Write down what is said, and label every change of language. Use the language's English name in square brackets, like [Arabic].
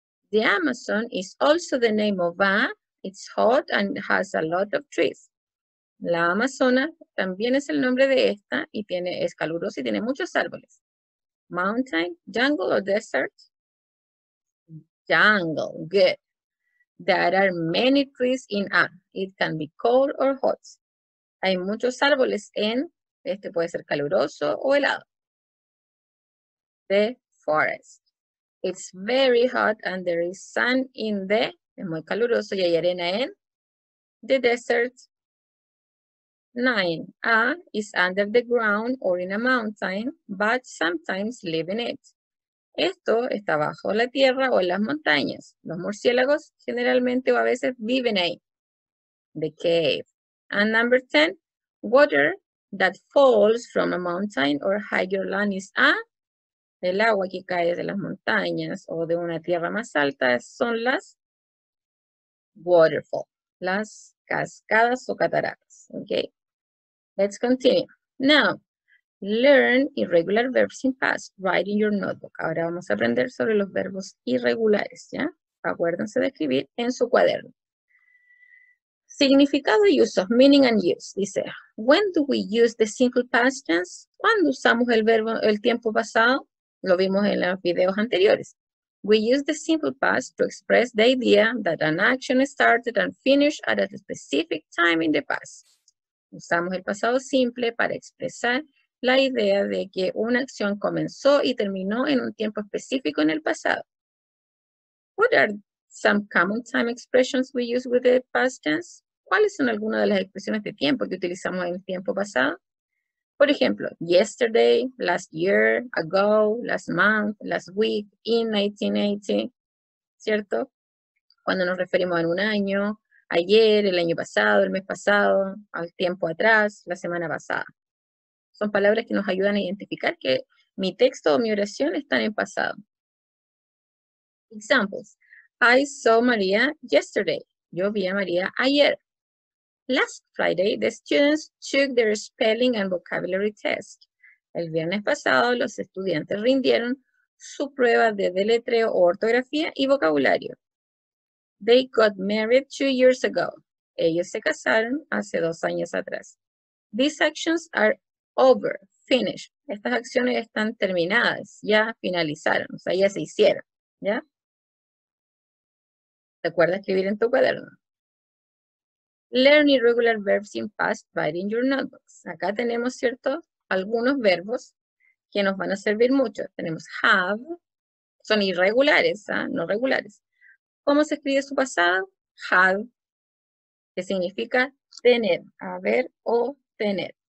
[English] The Amazon is also the name of A. It's hot and has a lot of trees. [Spanish] La Amazona también es el nombre de esta y tiene, es calurosa y tiene muchos árboles. [English] Mountain, jungle or desert? Jungle, good. There are many trees in A. It can be cold or hot. [Spanish] Hay muchos árboles en, este puede ser caluroso o helado. [English] The forest. It's very hot and there is sun in the, [Spanish] es muy caluroso y hay arena en, [English] the desert. 9. A is under the ground or in a mountain, but sometimes live in it. [Spanish] Esto está bajo la tierra o en las montañas. Los murciélagos generalmente o a veces viven ahí. [English] The cave. And number 10. Water that falls from a mountain or higher land is A. [Spanish] El agua que cae de las montañas o de una tierra más alta son las waterfall. Las cascadas o cataratas. [English] Okay. Let's continue. Now, learn irregular verbs in past. Write in your notebook. [Spanish] Ahora vamos a aprender sobre los verbos irregulares, ¿ya? Acuérdense de escribir en su cuaderno. Significado y uso, [English] meaning and use. [Spanish] Dice, [English] when do we use the simple past tense? [Spanish] ¿Cuándo usamos el verbo, el tiempo pasado? Lo vimos en los videos anteriores. [English] We use the simple past to express the idea that an action started and finished at a specific time in the past. [Spanish] Usamos el pasado simple para expresar la idea de que una acción comenzó y terminó en un tiempo específico en el pasado. [English] What are some common time expressions we use with the past tense? [Spanish] ¿Cuáles son algunas de las expresiones de tiempo que utilizamos en el tiempo pasado? Por ejemplo, [English] yesterday, last year, ago, last month, last week, in 1980, [Spanish] ¿cierto? Cuando nos referimos a un año. Ayer, el año pasado, el mes pasado, al tiempo atrás, la semana pasada. Son palabras que nos ayudan a identificar que mi texto o mi oración están en pasado. [English] Examples. I saw Maria yesterday. [Spanish] Yo vi a María ayer. [English] Last Friday, the students took their spelling and vocabulary test. [Spanish] El viernes pasado, los estudiantes rindieron su prueba de deletreo, ortografía y vocabulario. [English] They got married 2 years ago. [Spanish] Ellos se casaron hace 2 años atrás. [English] These actions are over, finished. [Spanish] Estas acciones están terminadas, ya finalizaron, o sea, ya se hicieron, ¿ya? Recuerda escribir en tu cuaderno. [English] Learn irregular verbs in past writing your notebooks. [Spanish] Acá tenemos, ¿cierto?, algunos verbos que nos van a servir mucho. Tenemos have, son irregulares, ¿eh? No regulares. ¿Cómo se escribe su pasado? Had, que significa tener, haber o tener.